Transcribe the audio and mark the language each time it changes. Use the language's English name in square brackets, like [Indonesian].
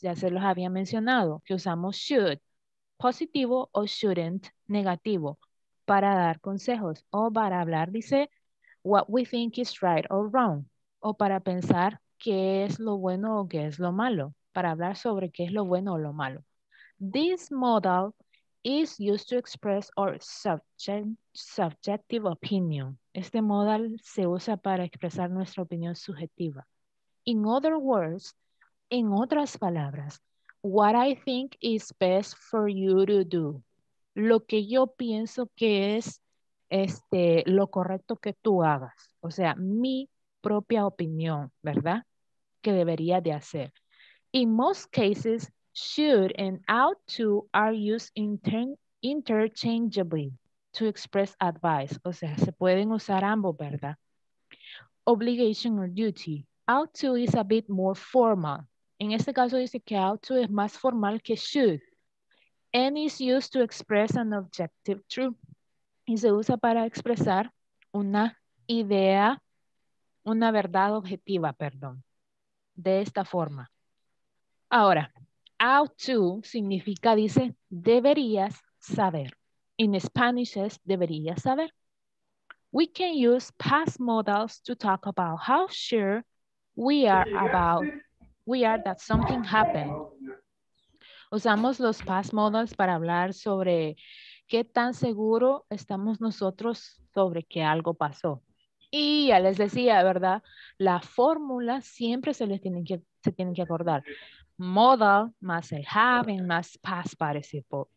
[Spanish] Ya se los había mencionado, que usamos should, positivo, o shouldn't, negativo, para dar consejos o para hablar, dice, [English] what we think is right or wrong, [Spanish] o para pensar qué es lo bueno o qué es lo malo, para hablar sobre qué es lo bueno o lo malo. [English] This modal is used to express our subjective opinion. [Spanish] Este modal se usa para expresar nuestra opinión subjetiva. [English] In other words, [Spanish] en otras palabras, [English] what I think is best for you to do. [Spanish] Lo que yo pienso que es lo correcto que tú hagas. O sea, mi propia opinión, ¿verdad? Que debería de hacer. [English] In most cases, should and ought to are used interchangeably to express advice. [Spanish] O sea, se pueden usar ambos, ¿verdad? [English] Obligation or duty. Ought to is a bit more formal. [Spanish] En este caso dice que ought to es más formal que should. [English] And is used to express an objective truth. [Spanish] Y se usa para expresar una idea, una verdad objetiva, perdón. De esta forma. Ahora, ought to significa, dice, deberías saber. In Spanish es deberías saber. [English] We can use past modals to talk about how sure we are about, we are that something happened. [Spanish] Usamos los past modals para hablar sobre qué tan seguro estamos nosotros sobre que algo pasó. Y ya les decía, ¿verdad? La fórmula siempre se tienen que acordar. Modal más el having más past participle.